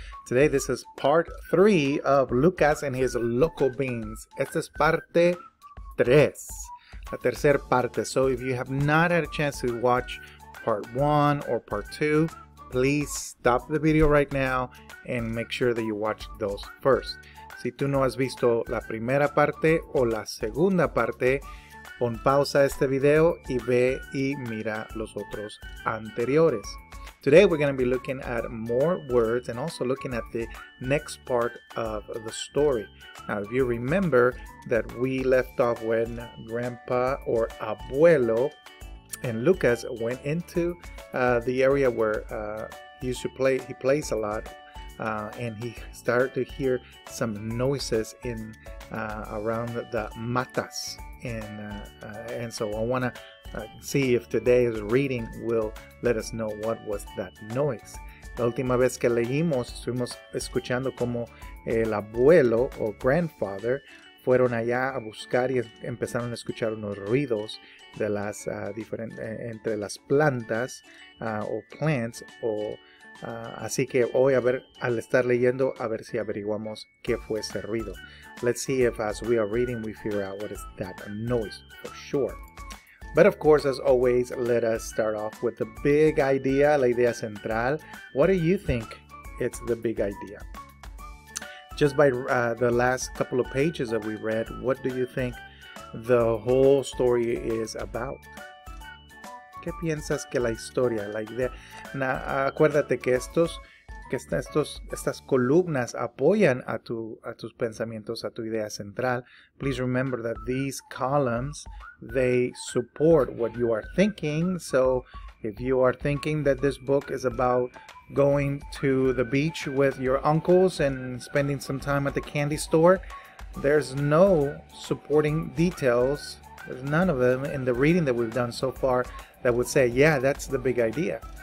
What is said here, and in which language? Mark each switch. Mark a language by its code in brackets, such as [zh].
[en] Today, this is part three of Lucas and his Loco Beans. [es] Esta es parte tres, la tercera parte. [en] So if you have not had a chance to watch part one or part two, please stop the video right now and make sure that you watch those first. [es] Si tú no has visto la primera parte o la segunda parte, pon pausa este video y ve y mira los otros anteriores. [en] Today we're going to be looking at more words and also looking at the next part of the story. Now, if you remember that we left off when Grandpa or Abuelo and Lucas went into the area where he plays a lot. And he started to hear some noises in around the matas. And so I want to see if today's reading will let us know what was that noise. [es] La última vez que leímos, estuvimos escuchando como el abuelo o grandfather fueron allá a buscar y empezaron a escuchar unos ruidos de las diferentes entre las plantas o plants o así que hoy a ver al estar leyendo a ver si averiguamos qué fue ese ruido. [en] Let's see if as we are reading we figure out what is that noise for sure. But of course, as always, let us start off with the big idea, la idea central. What do you think it's the big idea? Just by the last couple of pages that we read, what do you think the whole story is about? [es] ¿Qué piensas que la historia, la idea? Acuérdate que estas columnas apoyan a tus pensamientos, a tu idea central. [en] Please remember that these columns, they support what you are thinking. So if you are thinking that this book is about going to the beach with your uncles and spending some time at the candy store, there's no supporting details, there's none of them in the reading that we've done so far that would say, yeah, that's the big idea.